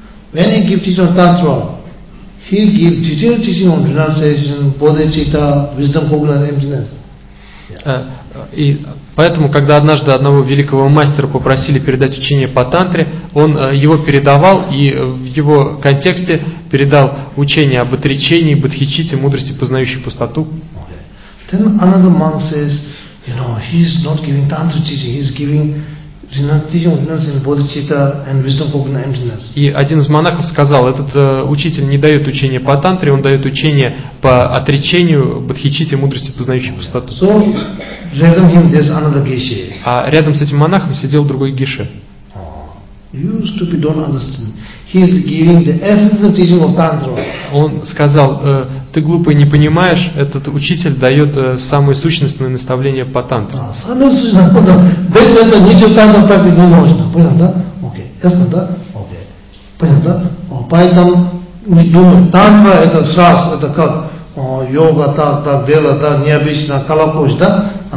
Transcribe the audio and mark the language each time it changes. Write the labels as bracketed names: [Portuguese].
[English] When he gave teaching on tantra, he gave detailed teaching on renunciation, bodhicitta, wisdom, cognizance, emptiness. [Russian] И поэтому, когда однажды одного великого мастера попросили передать учение по тантре, он его передавал и в его контексте передал учение об отречении, бодхичитте, мудрости, познающей пустоту. [English] Okay. Then another monk says, you know, he is not giving tantra teaching, he is giving renunciation, renunciation, bodhicitta and wisdom, cognizance, emptiness. [Russian] И один из монахов сказал, этот учитель не дает учение по тантре, он дает учение по отречению, бодхичитте, мудрости, познающей пустоту. [English] So, rather him, there's another geshe. [Russian] А рядом с этим монахом сидел другой геше. [English] You stupid don't understand. He is giving the essence of teaching of tantra. [Russian] Он сказал, ты глупый не понимаешь, этот учитель дает самое сущностное наставление по тантре. Без этого ничего тантра практики не можно. Понятно, да? Окей. Ясно, да? Окей. Понятно, да? Поэтому не думаем, тантра это шас, это как йога, так, дело, да, необычно, колокольчик, да?